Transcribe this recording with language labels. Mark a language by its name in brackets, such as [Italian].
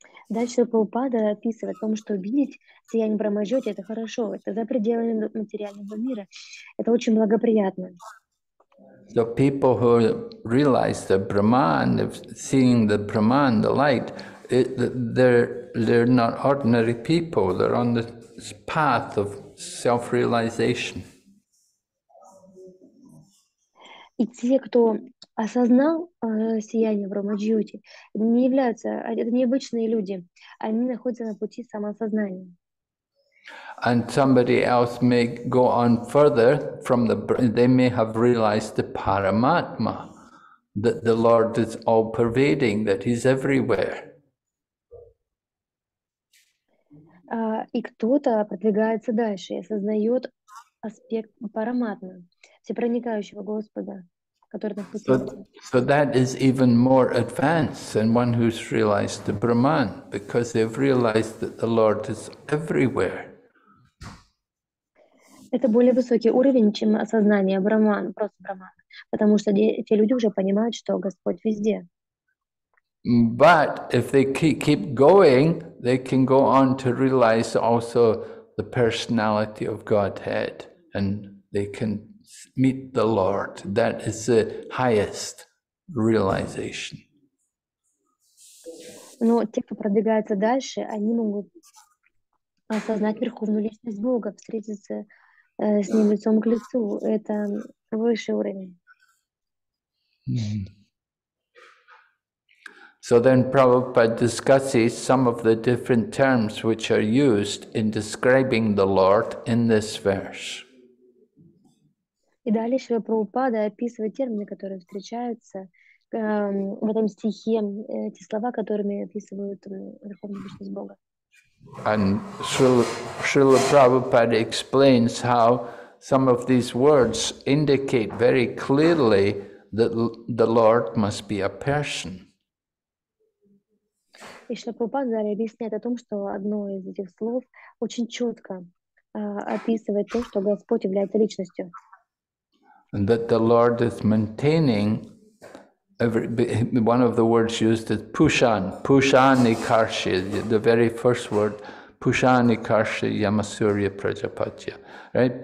[Russian] Дальше Прабхупада описывает о том, что видеть сияние Брахмаджьоти – это хорошо, это за пределами материального мира, это очень благоприятно. [English] So people who realize the Brahman, seeing the Brahman, the light, they're not ordinary people, they're on the path of self-realization. [Russian] И те, кто осознал сияние Брахмаджьоти, не являются, это необычные люди, они находятся на пути самосознания. [English] And somebody else may go on further from the, they may have realized the Paramatma, that the Lord is all pervading, that He's everywhere. [Russian] И кто-то продвигается дальше, осознает аспект Параматмы, всепроникающего Господа. [English] So that is even more advanced than one who's realized the Brahman, because they've realized that the Lord is everywhere. [Russian] Это более высокий уровень, чем осознание Брахман, просто Брахман, потому что эти люди уже понимают, что Господь везде. [English] But if they keep going, they can go on to realize also the personality of Godhead, and they can meet the Lord. That is the highest realization. [Russian] Но те, кто продвигается дальше, они могут осознать Верховную Личность Бога, встретиться с Ним лицом к лицу. Это высший уровень. [English] So then Prabhupada discusses some of the different terms which are used in describing the Lord in this verse. [Russian] И далее Шрила Прабхупада описывает термины, которые встречаются в этом стихе, эти слова, которыми описывают Верховную Личность Бога. [English] And Шрила Прабхупада explains how some of these words indicate very clearly that the Lord must be a person. [Russian] И Шрила Прабхупада далее объясняет о том, что одно из этих слов очень четко описывает то, что Господь является Личностью. [English] And that the Lord is maintaining every, one of the words used is Pushan, Pushanikarshi, the very first word, Pushanikarshi Yamasurya Prajapatya, right?